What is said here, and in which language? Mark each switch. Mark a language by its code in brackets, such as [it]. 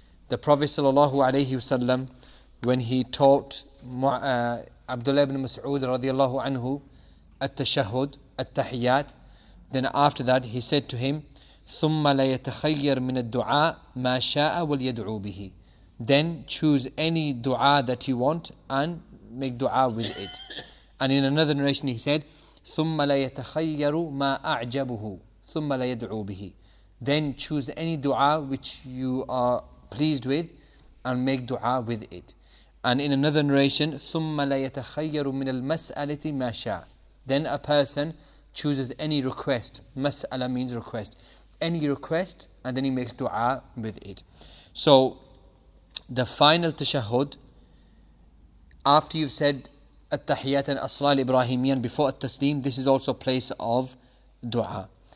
[en] The Prophet sallallahu alayhi wasallam, when he taught Abdullah ibn Mas'ud radiallahu anhu at-tashahhud, at-tahiyyat, then after that he said to him, [ar] ثُمَّ لَيَتَخَيَّرْ مِنَ الدُّعَاءِ مَا شَاءَ وَلْيَدْعُوا بِهِ. [en] Then choose any dua that you want and make dua with it. And in another narration he said, [ar] ثُمَّ لَيَتَخَيَّرُ مَا أَعْجَبُهُ ثُمَّ لَيَدْعُوا بِهِ. [en] Then choose any dua which you are pleased with and make dua with it. [ar] And in another narration, ثُمَّ لَيَتَخَيَّرُ مِنَ الْمَسْأَلَةِ مَا شَاءَ. [en] Then a person chooses any request. Mas'ala means request. Any request, and then he makes dua with it. So the final tashahhud, after you've said التحيات and الصلاة الإبراهيمية before التسليم, this is also a place of dua.